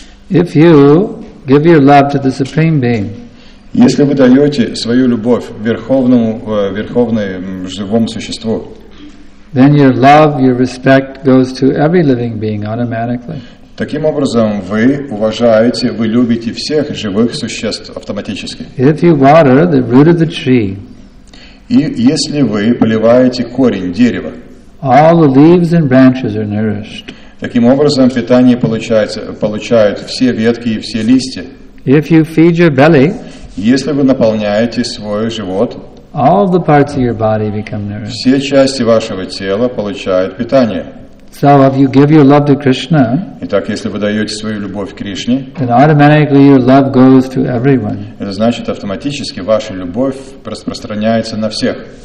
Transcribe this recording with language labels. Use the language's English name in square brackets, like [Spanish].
[English] If you give your love to the Supreme Being, [Russian] если вы даете свою любовь верховному живому существу, [English] then your love, your respect goes to every living being automatically. [Russian] Таким образом, вы уважаете, вы любите всех живых существ автоматически. [English] If you water the root of the tree, [Russian] и если вы поливаете корень дерева, [English] all the leaves and branches are nourished. [Russian] Таким образом, питание получают все ветки и все листья. [English] If you feed your belly, [Russian] если вы наполняете свой живот, [English] all the parts of your body become nourished. [Russian] Все части вашего тела получают питание. [English] So if you give your love to Krishna, [Russian] итак, если вы даете свою любовь Кришне, [English] then automatically your love goes to everyone. [Russian] Это значит автоматически ваша любовь распространяется на всех.